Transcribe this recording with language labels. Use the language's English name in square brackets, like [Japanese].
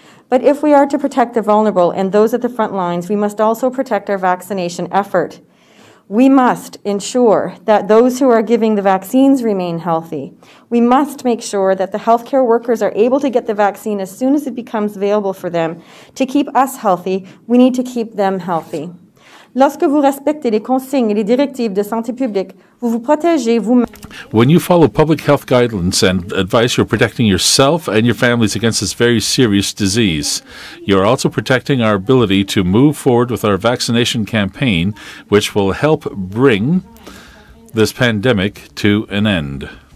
[English] But if we are to protect the vulnerable and those at the front lines, we must also protect our vaccination effort. We must ensure that those who are giving the vaccines remain healthy. We must make sure that the healthcare workers are able to get the vaccine as soon as it becomes available for them. To keep us healthy, we need to keep them healthy. [French] Lorsque vous respectez les consignes et les directives de santé publique, vous vous protégez vous-même. [English] When you follow public health guidelines and advice, you're protecting yourself and your families against this very serious disease. You're also protecting our ability to move forward with our vaccination campaign, which will help bring this pandemic to an end.